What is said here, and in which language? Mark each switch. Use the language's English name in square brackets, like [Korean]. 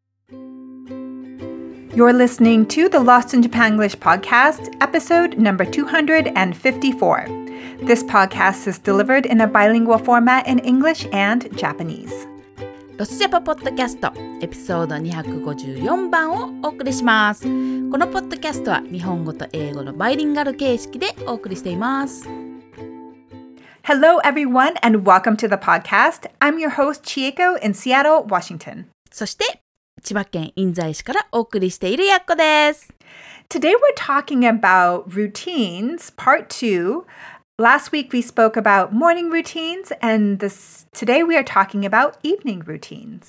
[English] You're listening to the Lost in Japanglish podcast, episode number 254. This podcast is delivered in a bilingual format in English and Japanese. [Japanese] ロスジャパポッドキャストエピソード254番をお送りします。このポッドキャストは日本語と英語のバイリンガル形式でお送りしています。 [English] Hello everyone and welcome to the podcast. I'm your host Chieko in Seattle, Washington. [Japanese] そして千葉県印西市からお送りしているやっこです。 [English] Today we're talking about routines, part 2. Last week we spoke about morning routines and today we are talking about evening routines.